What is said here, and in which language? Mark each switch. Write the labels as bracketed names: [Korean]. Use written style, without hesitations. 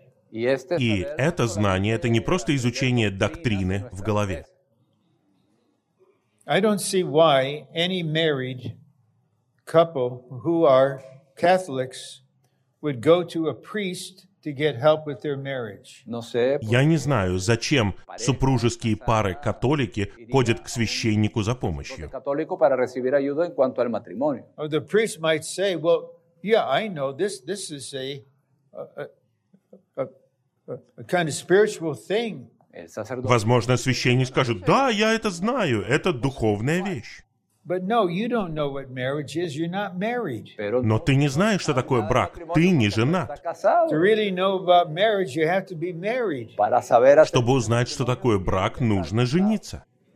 [Russian] И это знание — это не просто изучение доктрины в голове. [English] I don't see why any married couple who are Catholics would go to a priest to get help with their marriage. [Russian] Я не знаю, зачем супружеские пары католики ходят к священнику за помощью. [English] Or the priest might say, "Well, yeah, I know this is a kind of spiritual thing." [Russian] Возможно, священник скажет, «Да, я это знаю, это духовная вещь». Но ты не знаешь, что такое брак, ты не женат. Чтобы узнать, что такое брак, нужно жениться.